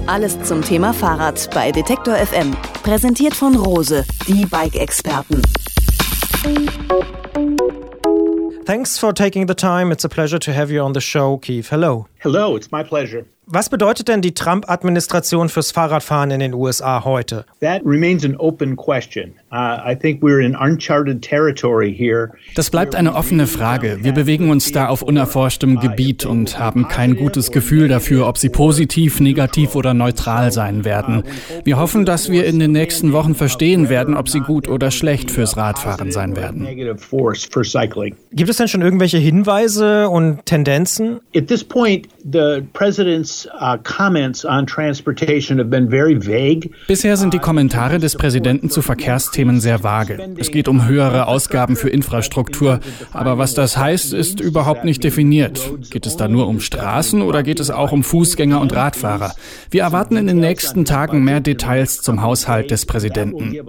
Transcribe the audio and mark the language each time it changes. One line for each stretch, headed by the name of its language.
German: Alles zum Thema Fahrrad bei Detektor FM. Präsentiert von Rose, die Bike-Experten.
English: Thanks for taking the time. It's a pleasure to have you on the show, Keith. Hello. Hello, it's my pleasure.
German: Was bedeutet denn die Trump-Administration fürs Fahrradfahren in den USA heute?
English: That remains an open question. I think we're in uncharted territory here.
German: Das bleibt eine offene Frage. Wir bewegen uns da auf unerforschtem Gebiet und haben kein gutes Gefühl dafür, ob sie positiv, negativ oder neutral sein werden. Wir hoffen, dass wir in den nächsten Wochen verstehen werden, ob sie gut oder schlecht fürs Radfahren sein werden. Gibt es denn schon irgendwelche Hinweise und Tendenzen?
English: At this point, the president's comments on transportation have been very vague.
German: Bisher sind die Kommentare des Präsidenten zu Verkehrsthemen sehr vage. Es geht um höhere Ausgaben für Infrastruktur, aber was das heißt, ist überhaupt nicht definiert. Geht es da nur um Straßen oder geht es auch um Fußgänger und Radfahrer? Wir erwarten in den nächsten Tagen mehr Details zum Haushalt des Präsidenten.